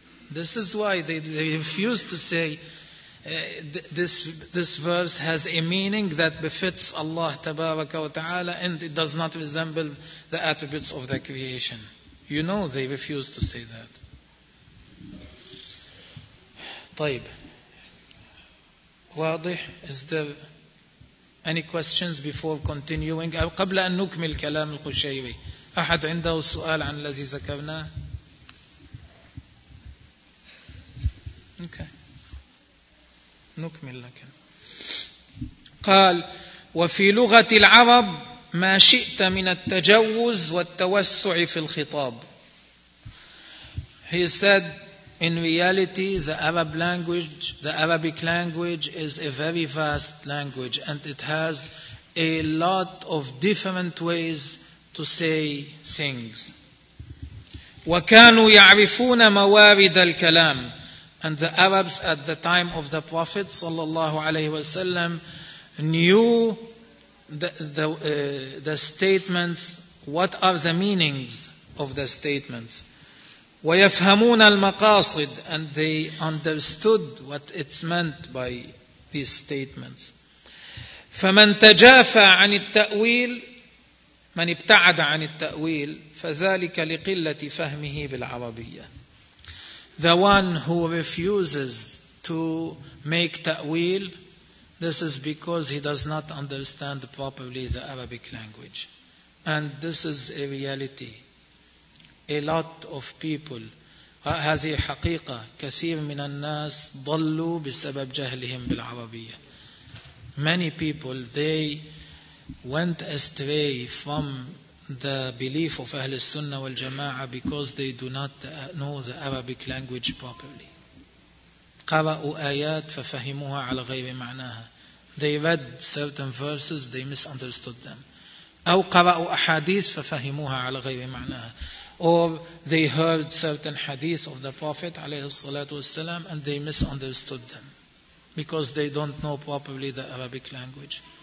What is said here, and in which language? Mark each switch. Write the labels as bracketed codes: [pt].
[en] This is why they refuse to say, this verse has a meaning that befits Allah tabaraka wa ta'ala and it does not resemble the attributes of the creation. You know they refuse to say that. [ar] طيب. واضح؟ [en] Is there any questions before continuing? [ar] قبل أن نكمل كلام القشيري. أحد عنده سؤال عن الذي ذكرناه؟ Okay. نكمل لكن. قال وفي لغة العرب ما شئت من التجوز والتوسع في الخطاب. [en] He said in reality the Arab language, the Arabic language is a very vast language and it has a lot of different ways to say things. [ar] وكانوا يعرفون موارد الكلام. [en] And the Arabs at the time of the Prophet sallallahu alaihi wasallam knew the statements, what are the meanings of the statements. [ar] ويفهمون المقاصد, [en] and they understood what it's meant by these statements. [ar] فمن تجافى عن التأويل, من ابتعد عن التأويل فذلك لقلة فهمه بالعربية. [en] The one who refuses to make ta'wil, this is because he does not understand properly the Arabic language. And this is a reality. A lot of people, [ar] هذه حقيقة, كثير من الناس ضلوا بسبب جهلهم بالعربية. [en] Many people, they went astray from the belief of Ahl Sunnah wal Jama'ah because they do not know the Arabic language properly. [ar] قرأوا آيات ففهموها على غير معناها. [en] They read certain verses, they misunderstood them. [ar] أو قرأوا أحاديث ففهموها على غير معناها. [en] or they heard certain hadith of the Prophet alayhi salatu wasalam and they misunderstood them because they don't know properly the Arabic language.